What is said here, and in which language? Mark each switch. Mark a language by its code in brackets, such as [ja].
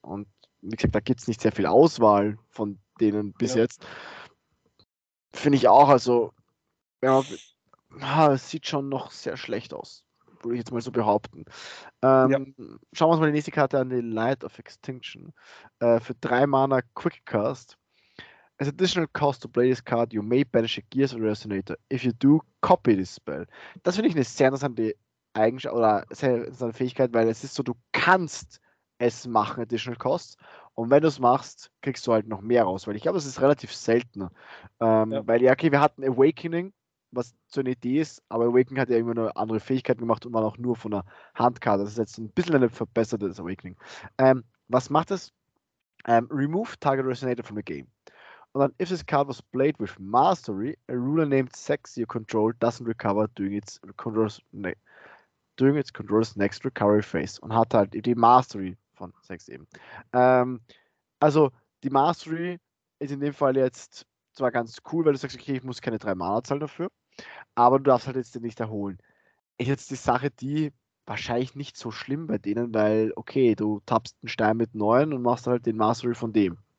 [de] Und wie gesagt, da gibt es nicht sehr viel Auswahl von denen bis jetzt. Finde ich auch, also, wenn man. Es sieht schon noch sehr schlecht aus, würde ich jetzt mal so behaupten. Schauen wir uns mal die nächste Karte an, die Light of Extinction. Für 3 Mana Quick Cast. [en] As additional cost to play this card, you may banish a Gears or Resonator. If you do, copy this spell. [de] Das finde ich eine sehr interessante Eigenschaft oder sehr interessante Fähigkeit, weil es ist so, du kannst es machen, additional cost. Und wenn du es machst, kriegst du halt noch mehr raus, weil ich glaube, es ist relativ selten. Weil ja, okay, wir hatten Awakening, was so eine Idee ist, aber Awakening hat ja irgendwie eine andere Fähigkeit gemacht und war auch nur von der Handkarte. Das ist jetzt ein bisschen ein verbessertes Awakening. Was macht das? [en] Remove Target Resonator from the game. [de] Und dann, [en] if this card was played with Mastery, a ruler named Sexy you control doesn't recover during its controller's next recovery phase. [de] Und hat halt die Mastery von Sexy eben. Also, die Mastery ist in dem Fall jetzt zwar ganz cool, weil du sagst, okay, ich muss keine 3 Mana zahlen dafür, aber du darfst halt jetzt den nicht erholen. Ist jetzt die Sache, die wahrscheinlich nicht so schlimm bei denen, weil, okay, du tappst einen Stein mit 9 und machst halt den Mastery von dem.